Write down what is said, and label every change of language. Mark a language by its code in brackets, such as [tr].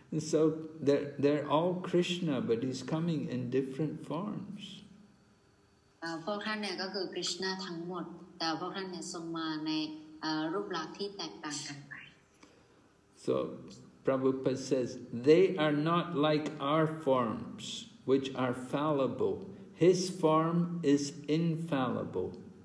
[en] so they're all Krishna but he's coming in different forms [th] พวกท่านเนี่ยก็คือคริชนาทั้งหมดแต่พวกท่านเนี่ยทรงมาในรูปลักษณ์ที่แตกต่างกันไป [en] soPrabhupada says, they are not like our forms, which are fallible. His form is infallible.